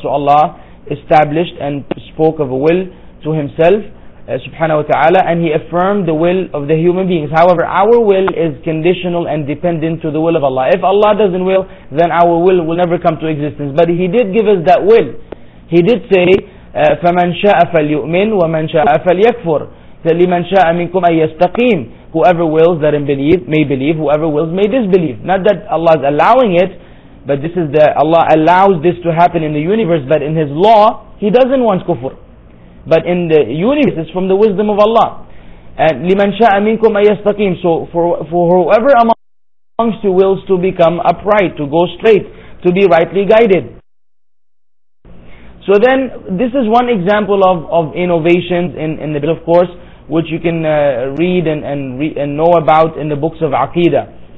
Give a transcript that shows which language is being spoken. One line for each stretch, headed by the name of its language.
English: So Allah established and spoke of a will to Himself, subhanahu wa ta'ala, and He affirmed the will of the human beings. However, our will is conditional and dependent to the will of Allah. If Allah doesn't will, then our will never come to existence. But He did give us that will. He did say,
Arabic: فَمَنْ شَاءَ فَلْيُؤْمِنْ وَمَنْ شَاءَ فَلْيَكْفُرْ لِمَنْ شَاءَ مِنْكُمْ أَنْ يَسْتَقِيمْ.
English: Whoever wills, let him believe, may believe. Whoever wills, may disbelieve. Not that Allah is allowing it, but this is the Allah allows this to happen in the universe, but in His law, He doesn't want kufr. But in the universe, it's from the wisdom of Allah.
Arabic: And لِمَنْ شَاءَ مِنْكُمْ أَنْ يَسْتَقِيمْ.
English: So for whoever amongst you wills to become upright, to go straight, to be rightly guided. So then, this is one example of innovations in the bill, of course, which you can read and know about in the books of Aqeedah.